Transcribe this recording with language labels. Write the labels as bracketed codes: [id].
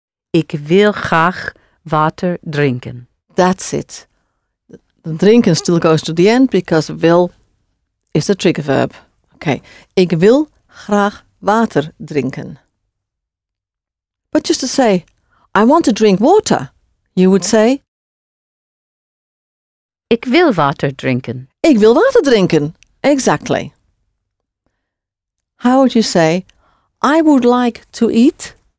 [nl] Ik wil graag water drinken. [en] That's it. The drinken still goes to the end because wil is the trigger verb. [nl] Okay, ik wil graag water drinken. [en] But just to say, I want to drink water, you would say? [nl] Ik wil water drinken. Ik wil water drinken, exactly. [en] How would you say, I would like to eat?